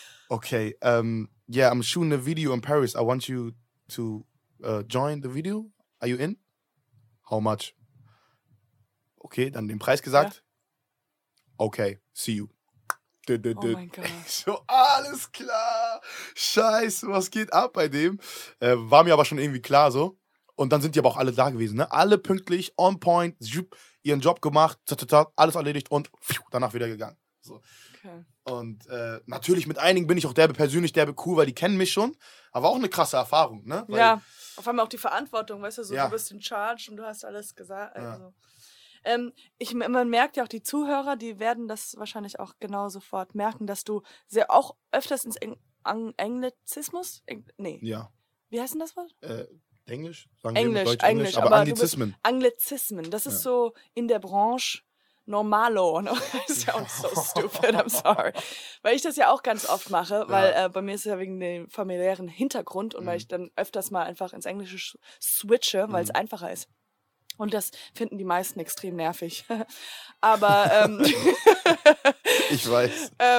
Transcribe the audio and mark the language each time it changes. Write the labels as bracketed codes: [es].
[en] Okay, yeah, I'm shooting a video in Paris. I want you to join the video. Are you in? How much? [de] Okay, dann den Preis gesagt. [en] Yeah. Okay, see you. [de] Oh mein Gott. So, alles klar. Scheiße, was geht ab bei dem? War mir aber schon irgendwie klar so. Und dann sind die aber auch alle da gewesen, ne? Alle pünktlich, on point, ihren Job gemacht, alles erledigt und danach wieder gegangen. So. Okay. Und natürlich mit einigen bin ich auch derbe persönlich, derbe cool, weil die kennen mich schon. Aber auch eine krasse Erfahrung, ne? Weil, ja, auf einmal auch die Verantwortung, weißt du, so, du bist [en] in charge [de] und du hast alles gesagt. Also. Ja. Man merkt ja auch, die Zuhörer, die werden das wahrscheinlich auch genau sofort merken, dass du sehr auch öfters ins Anglizismus, Wie heißt denn das Wort? Englisch? Englisch, aber Anglizismen. Anglizismen, das ist so in der Branche normalo. [en] Das sounds so stupid, I'm sorry. [de] Weil ich das ja auch ganz oft mache, weil bei mir ist es ja wegen dem familiären Hintergrund und weil ich dann öfters mal einfach ins Englische switche, weil es einfacher ist. Und das finden die meisten extrem nervig. Aber ich weiß.